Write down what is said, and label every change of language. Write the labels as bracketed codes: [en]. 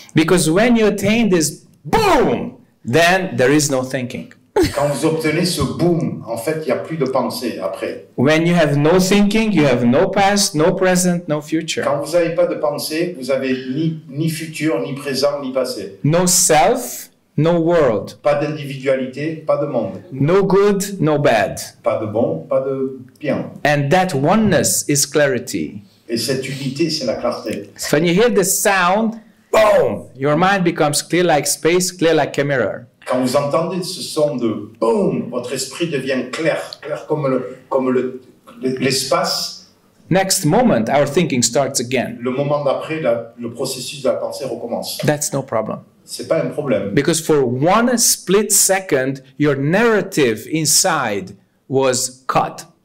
[en] Because when you attain this boom, then there is no thinking. [fr] Quand vous obtenez ce boom, en fait, il n'y a plus de pensée après. [en] When you have no thinking, you have no past, no present, no future. [fr] Quand vous n'avez pas de pensée, vous n'avez ni futur, ni présent, ni passé. [en] No self, no world. [fr] Pas d'individualité, pas de monde. [en] No good, no bad. [fr] Pas de bon, pas de bien. [en] And that oneness is clarity. [fr] Et cette unité, c'est la clarté. [en] When you hear the sound, boom, your mind becomes clear like space, clear like a mirror. [fr] Quand vous entendez ce son de boom, votre esprit devient clair, clair comme l'espace. [en] Next moment, our thinking starts again. [fr] Le moment d'après, le processus de la pensée recommence. [en] That's no problem. [fr] C'est pas un problème. [en] Because for one split second, your narrative inside was cut.